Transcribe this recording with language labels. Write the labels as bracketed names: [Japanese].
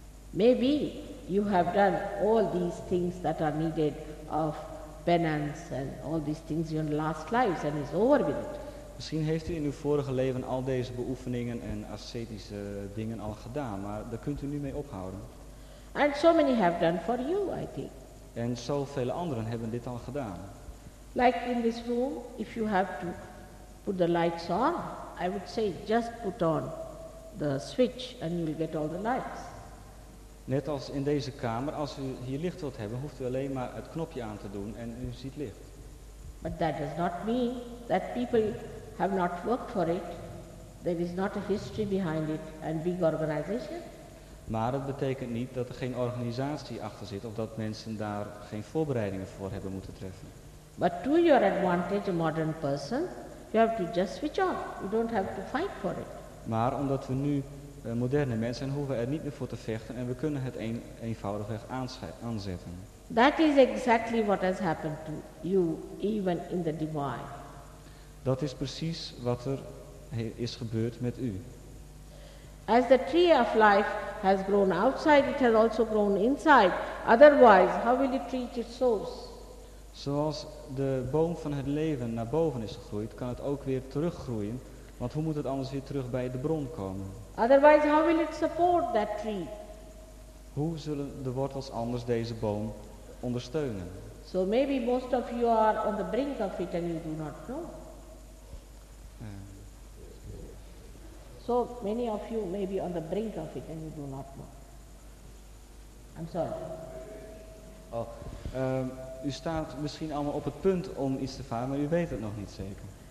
[English] Maybe you have done all these things that are needed of penance and all these things in your last lives and it's over with it. [Dutch] Misschien heeft u in uw vorige leven al deze beoefeningen en ascetische dingen al gedaan, maar daar kunt u nu mee ophouden. [English] And so many have done for you, I think. [Dutch] En zoveel anderen hebben dit al gedaan. [English] Like in this room, if you have to put the lights on, I would say just put on the switch and you will get all the lights. [Dutch] Net als in deze kamer, als u hier licht wilt hebben, hoeft u alleen maar het knopje aan te doen en u ziet licht. [English] But that does not mean that people have not worked for it. There is not a history behind it and big organization. [Dutch] Maar het betekent niet dat er geen organisatie achter zit of dat mensen daar geen voorbereidingen voor hebben moeten treffen. [English] But to your advantage, a modern person, you have to just switch off. You don't have to fight for it. [Dutch] Maar omdat we nu moderne mensen zijn, hoeven we er niet meer voor te vechten en we kunnen het eenvoudigweg aanzetten. [English] That is exactly what has happened to you, even in the divine. [Dutch] Dat is precies wat er is gebeurd met u. [English] As the tree of life has grown outside, it has also grown inside. Otherwise, how will it reach its source? [Dutch] Zoals de boom van het leven naar boven is gegroeid, kan het ook weer teruggroeien. Want hoe moet het anders weer terug bij de bron komen? [English] Otherwise, how will it support that tree? [Dutch] Hoe zullen de wortels anders deze boom ondersteunen? [English] So maybe most of you are on the brink of it and you do not know. So many of you may be on the brink of it and you do not know. I'm sorry. [Dutch] Oh, u staat misschien allemaal op het punt om iets te varen, maar u weet het nog niet zeker.